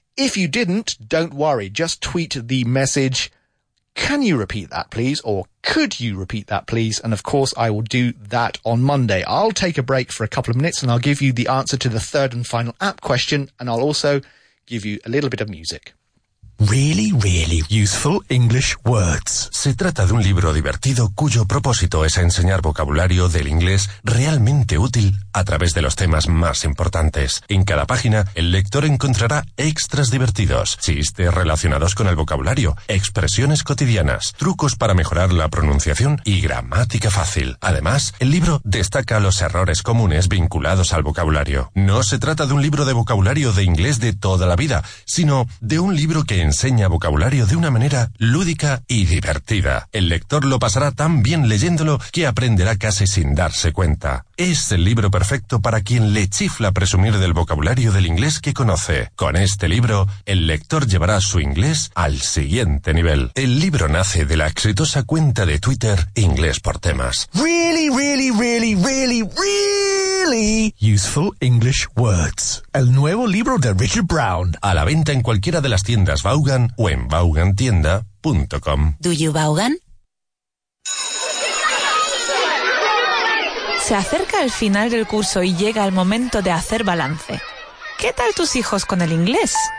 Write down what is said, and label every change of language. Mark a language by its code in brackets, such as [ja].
[en] If you didn't, don't worry. Just tweet the message, can you repeat that, please? Or could you repeat that, please? And of course, I will do that on Monday. I'll take a break for a couple of minutes and I'll give you the answer to the third and final app question. And I'll also give you a little bit of music. really, really useful English words. [es] Se trata de un libro divertido cuyo propósito es enseñar vocabulario del inglés realmente útil a través de los temas más importantes. En cada página, el lector encontrará extras divertidos, chistes relacionados con el vocabulario, expresiones cotidianas, trucos para mejorar la pronunciación y gramática fácil. Además, el libro destaca los errores comunes vinculados al vocabulario. No se trata de un libro de vocabulario de inglés de toda la vida, sino de un libro que enseña vocabulario de una manera lúdica y divertida. El lector lo pasará tan bien leyéndolo que aprenderá casi sin darse cuenta. Es el libro perfecto para quien le chifla presumir del vocabulario del inglés que conoce. Con este libro, el lector llevará su inglés al siguiente nivel. El libro nace de la exitosa cuenta de Twitter Inglés por Temas. [en] Really, really, really, really, really useful English words. [es] El nuevo libro de Richard Brown. A la venta en cualquiera de las tiendas Vaughan o en vaughantienda.com. [en] ¿Do you Vaughan? [es] Se acerca el final del curso y llega el momento de hacer balance. ¿Qué tal tus hijos con el inglés?